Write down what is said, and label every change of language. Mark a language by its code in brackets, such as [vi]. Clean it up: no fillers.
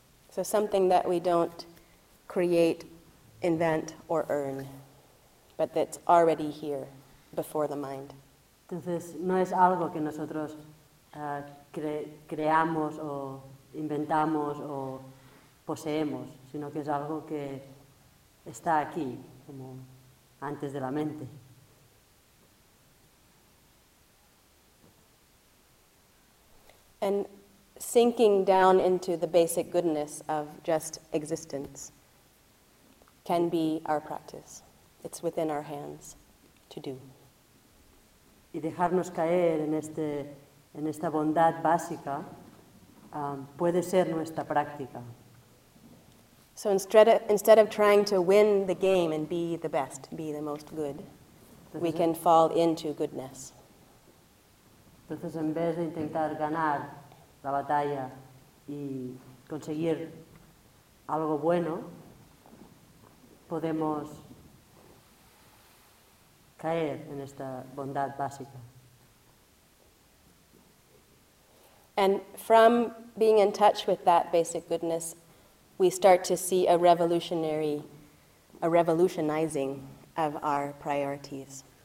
[en] So something that we don't create, invent, or earn, but that's already here before the mind. [es] Entonces, no es algo que nosotros creamos o inventamos o poseemos, sino que es algo que está aquí, como antes de la mente. [en] And sinking down into the basic goodness of just existence can be our practice. It's within our hands to do. [es] Y dejarnos caer en este, en esta bondad básica puede ser nuestra práctica. [en] So instead of trying to win the game and be the best, be the most good, [es] entonces, [en] we can fall into goodness. [es] Entonces, en vez de intentar ganar la batalla y conseguir algo bueno, podemos caer en esta bondad básica. [en] And from being in touch with that basic goodness, we start to see a revolutionizing of our priorities.